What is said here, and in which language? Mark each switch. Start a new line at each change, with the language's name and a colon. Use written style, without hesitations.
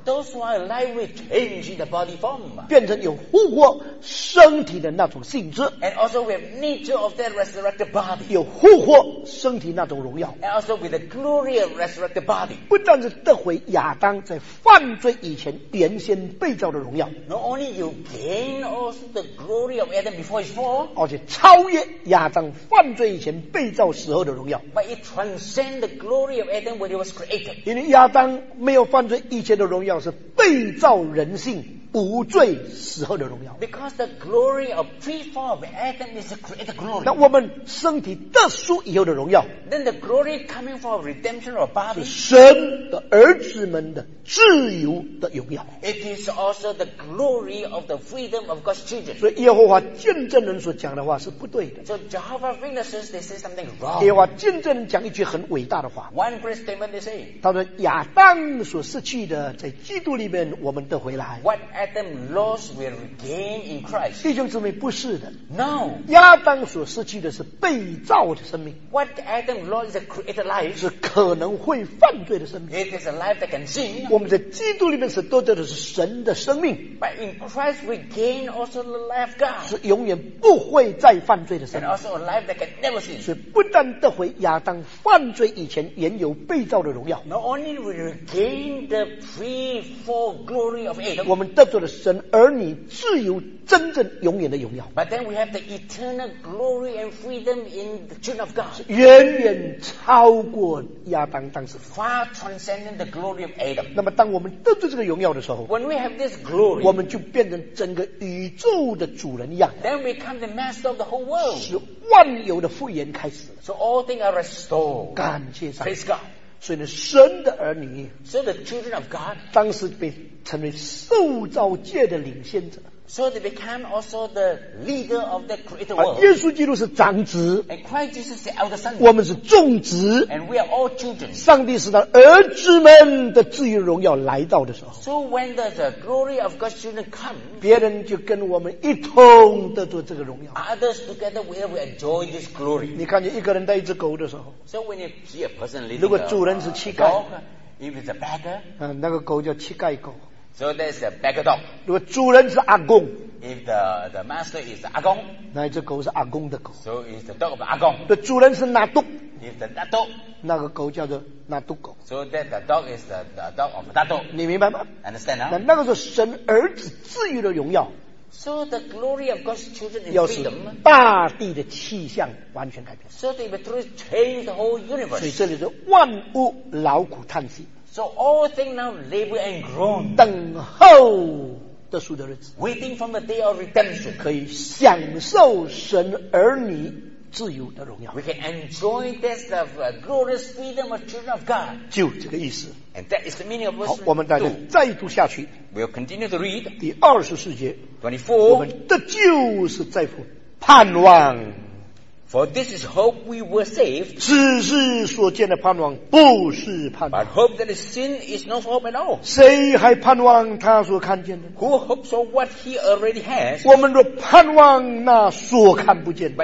English: Those who are alive will change the body form.
Chinese: 变成有复活身体的那种性质。
English: And also with the nature of that resurrected body.
Chinese: 有复活身体那种荣耀。
English: And also with the glory of resurrected body.
Chinese: 不但是得回亚当在犯罪以前原先被造的荣耀。
English: Not only you gain also the glory of Adam before his fall.
Chinese: 而且超越亚当犯罪。以前被造时候的荣耀。
English: But it transcends the glory of Adam when he was created.
Chinese: 因为亚当没有犯罪以前的荣耀是被造人性无罪时候的荣耀。
English: Because the glory of pre-fall of Adam is a created glory.
Chinese: 那我们身体得赎以后的荣耀。
English: Then the glory coming from redemption of body.
Chinese: 是神的儿子们的自由的荣耀。
English: It is also the glory of the freedom of God's children.
Chinese: 所以耶和华见证人所讲的话是不对的。
English: So Jehovah Witnesses they say something wrong.
Chinese: 耶和华见证人讲一句很伟大的话。
English: One great statement they say.
Chinese: 他说亚当所失去的，在基督里面我们得回来。
English: What Adam lost will regain in Christ.
Chinese: 弟兄姊妹不是的。
English: No.
Chinese: 亚当所失去的是被造的生命。
English: What Adam lost is a created life.
Chinese: 是可能会犯罪的生命。
English: It is a life that can sin.
Chinese: 我们在基督里面是得到的是神的生命。
English: But in Christ we gain also the life of God.
Chinese: 是永远不会再犯罪的生命。
English: And also a life that can never sin.
Chinese: 所以不但得回亚当犯罪以前原有被造的荣耀。
English: Not only we regain the pre-fall glory of Adam.
Chinese: 我们得到的神儿女自由真正永远的荣耀。
English: But then we have the eternal glory and freedom in the children of God.
Chinese: 远远超过亚当当时。
English: Far transcending the glory of Adam.
Chinese: 那么当我们得罪这个荣耀的时候
English: When we have this glory,
Chinese: 我们就变成整个宇宙的主人一样
English: Then we become the master of the whole world.
Chinese: 是万有的复原开始
English: So all things are restored.
Chinese: 感谢上帝
English: Praise God.
Chinese: 所以呢神的儿女
English: So the children of God
Chinese: 当时被成为受造界的领先者
English: So they became also the leader of the created world.
Chinese: 耶稣基督是长子。
English: And Christ Jesus is the elder son.
Chinese: 我们是众子。
English: And we are all children.
Chinese: 上帝使他儿子们的自由荣耀来到的时候。
English: So when the glory of God's children come,
Chinese: 别人就跟我们一同得着这个荣耀。
English: Others together will we enjoy this glory.
Chinese: 你看见一个人带一只狗的时候。
English: So when you see a person leading a dog,
Chinese: 如果主人是乞丐。
English: If it's a beggar,
Chinese: 那个狗叫乞丐狗。
English: So there's a beggar dog.
Chinese: 如果主人是阿公
English: If the master is 阿公
Chinese: 那一只狗是阿公的狗
English: So it's the dog of 阿公
Chinese: 如果主人是纳杜
English: If the 纳杜
Chinese: 那个狗叫做纳杜狗
English: So that the dog is the dog of 纳杜
Chinese: 你明白吗
English: Understand 啊、huh?
Chinese: 那个是神儿子赐予的荣耀
English: So the glory of God's children is freedom
Chinese: 大地的气象完全改变
English: So they will change the whole universe
Chinese: 所以这里是万物劳苦叹息
English: So all things now labor and groan.
Chinese: 等候得赎的日子
English: Waiting from the day of redemption.
Chinese: 可以享受神儿女自由的荣耀。
English: We can enjoy this of glorious freedom of children of God.
Chinese: 就这个意思。
English: And that is the meaning of verse 2.
Chinese: 好，我们大家再读下去。
English: We'll continue to read.
Chinese: 第二十四节。
English: 24.
Chinese: 我们得救是在乎盼望。
English: For this is hope we were saved.
Chinese: 只是所见的盼望不是盼望。
English: But hope that is seen is not hope at all.
Chinese: 谁还盼望他所看见的？
English: Who hopes for what he already has?
Chinese: 我们若盼望那所看不见的。